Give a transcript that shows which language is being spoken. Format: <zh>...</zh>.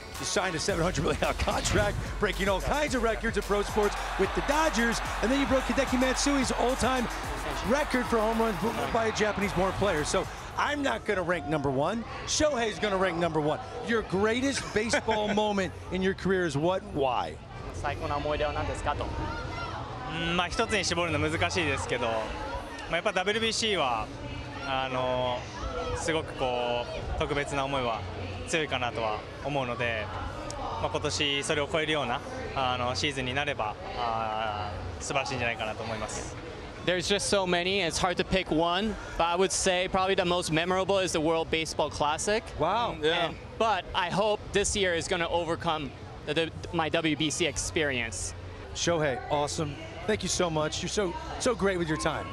<en>You signed a $700 million contract, breaking all kinds of records of pro sports with the Dodgers. And then you broke Hideki Matsui's all-time record for home runs by a Japanese-born player. So I'm not going to rank number one. Shohei's going to rank number one. Your greatest baseball moment in your career is what? Why?</en> <ja>最高な思い出は何ですかと、まあ、一つに絞るのは難しいですけど、まあ、やっぱ WBC はすごくこう特別な思いは強いかなとは思うので、まあ、今年それを超えるようなシーズンになれば素晴らしいんじゃないかなと思います。</ja> <en>There's just so many, it's hard to pick one, but I would say probably the most memorable is the World Baseball Classic. Wow. Yeah. But I hope this year is going to overcome. My WBC experience. Shohei, awesome. Thank you so much. You're so great with your time.</en>